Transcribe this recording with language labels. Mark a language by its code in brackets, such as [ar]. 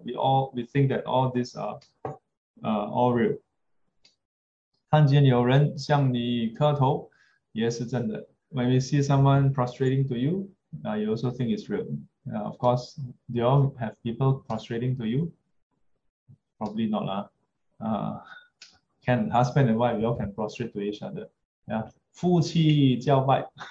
[en] We think that all these are all real。 [zh] 看见有人向你磕头，也是真的。 [en] When we see someone prostrating to you, you also think it's real. Of course, do you all have people prostrating to you? Probably not, lah. Can husband and wife, we all can prostrate to each other. Yeah, [zh] 夫妻交拜。